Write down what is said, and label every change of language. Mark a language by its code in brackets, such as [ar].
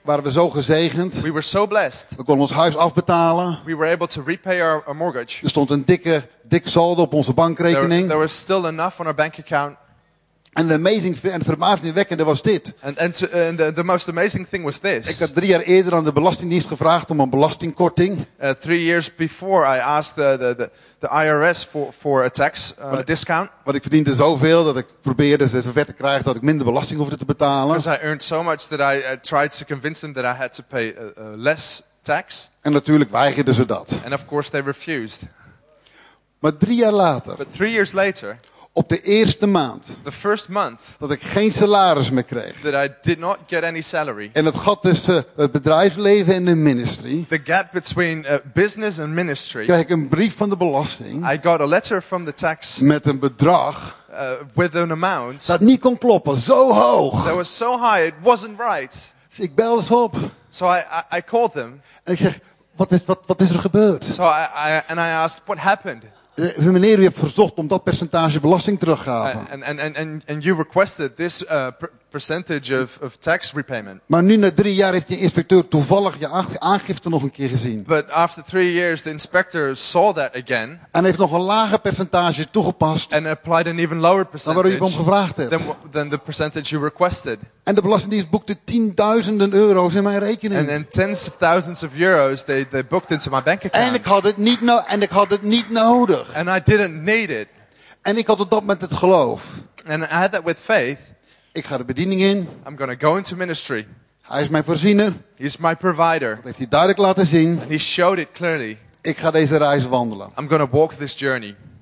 [nl] Waren we zo gezegend. [en] We were so blessed. [nl] We konden ons huis afbetalen. [en] We were able to repay our mortgage. [nl] Er stond een dik saldo op onze bankrekening. [en] There was still enough on our bank account. [nl] En de amazing en verbazingwekkende was dit. [en] And the most amazing thing was this. [nl] Ik had 3 jaar eerder aan de belastingdienst gevraagd om een belastingkorting. [en] 3 years before I asked the IRS for a tax discount. [nl] Want ik verdiende zoveel dat ik probeerde ze zover te krijgen dat ik minder belasting hoefde te betalen. [en] Because I earned so much that I tried to convince them that I had to pay less tax. [nl] En natuurlijk weigerden ze dat. [en] And of course they refused. [nl] Maar 3 jaar later. [en] But 3 years later. [nl] Op de eerste maand. [en] The first month, [nl] dat ik geen salaris meer kreeg. [en] That I did not get any salary. [nl] En het gat tussen het bedrijfsleven en de ministry. [en] The gap between business and ministry. [nl] Kreeg ik een brief van de belasting. [en] I got a letter from the tax. [nl] Met een bedrag. [en] With an amount. [nl] Dat niet kon kloppen. Zo hoog. [en] That was so high, it wasn't right. [nl] Dus ik belde ze op. [en] So I called them. [nl] En ik zeg, wat is er gebeurd? [en] So I asked, what happened? [nl] Meneer, u hebt verzocht om dat percentage belasting terug te geven. [en] And you requested this percentage of tax repayment. [nl] Maar nu na 3 jaar heeft de inspecteur toevallig je aangifte nog een keer gezien. [en] But after 3 years, the inspector saw that again. [nl] En heeft nog een lager percentage toegepast. [en] And applied an even lower percentage. [nl] Dan waar je om gevraagd hebt. [en] Than the percentage you requested. [nl] En de belastingdienst boekte tienduizenden euro's in mijn rekening. [en] And then tens of thousands of euros they booked into my bank account. [nl] En ik had het niet nodig. [en] And I didn't need it. [nl] En ik had op dat moment het geloof. [en] And I had that with faith. [nl] Ik ga de bediening in. [en] I'm going to go into ministry. [nl] Hij is mijn voorziener. [en] He's my provider. [nl] Dat heeft hij duidelijk laten zien. [en] And he showed it clearly. [nl] Ik ga deze reis wandelen. [en] I'm going to walk this journey.